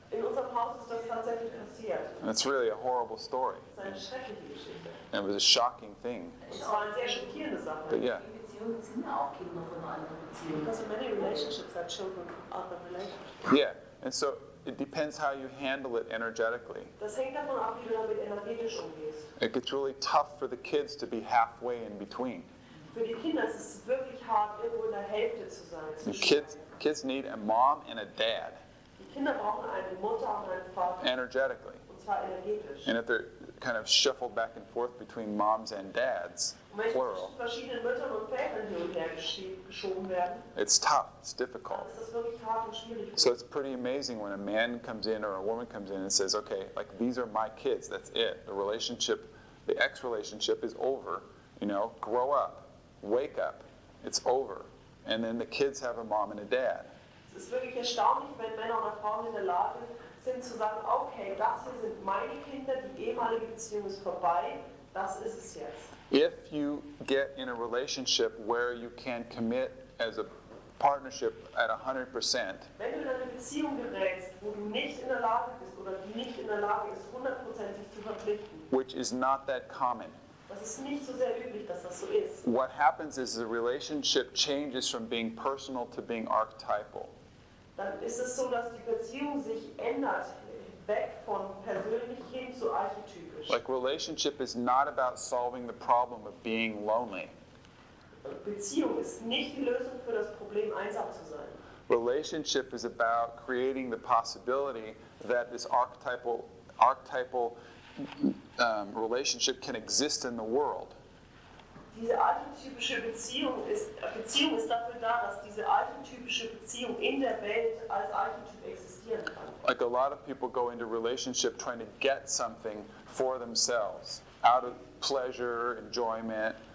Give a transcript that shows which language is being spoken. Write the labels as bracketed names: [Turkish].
[German] In unserem Haus ist das tatsächlich passiert. [English] That's really a horrible story. [German] Es ist eine schreckliche Geschichte. [English] And it was a shocking thing. [German] Es war eine sehr schockierende Sache. [English] But yeah. Because many relationships are children of other relationships. Yeah, and so it depends how you handle it energetically. [German] Das hängt davon ab, wie du damit energetisch umgehst. [English] It gets really tough for the kids to be halfway in between. [German] Für die Kinder ist es wirklich hart, irgendwo in der Hälfte zu sein. [English] Kids need a mom and a dad. [German] Kinder brauchen eine Mutter und einen Vater. [English] Energetically. [German] Und zwar energetisch. [English] And if they're kind of shuffled back and forth between moms and dads, plural, [German] verschiedenen Müttern und Vätern hier und her geschoben werden, [English] it's tough, it's difficult. [German] Das ist wirklich hart und schwierig. [English] So it's pretty amazing when a man comes in or a woman comes in and says, okay, like these are my kids, that's it. The relationship, the ex-relationship is over. You know, grow up, wake up, it's over. And then the kids have a mom and a dad. [German] Es ist wirklich erstaunlich, wenn Männer und Frauen in der Lage sind zu sagen, okay, das hier sind meine Kinder, die ehemalige Beziehung ist vorbei, das ist es jetzt. [English] If you get in a relationship where you can commit as a partnership at 100%, [German] wenn du in eine Beziehung gerätst, wo du nicht in der Lage bist oder die nicht in der Lage ist, 100% sich zu verpflichten, [English] which is not that common. [German] Das ist nicht so sehr üblich, dass das so ist. [English] What happens is the relationship changes from being personal to being archetypal. [German] Dann ist es so, dass die Beziehung sich ändert, weg von persönlich hin zu archetypisch. [English] Like relationship is not about solving the problem of being lonely. [German] Beziehung ist nicht die Lösung für das Problem, einsam zu sein. [English] Relationship is about creating the possibility that this archetypal relationship can exist in the world. [German] Diese archetypische Beziehung ist dafür da, dass diese archetypische Beziehung in der Welt als Archetyp existieren kann. [English] Like a lot of people go into relationship trying to get something for themselves, out of pleasure, enjoyment.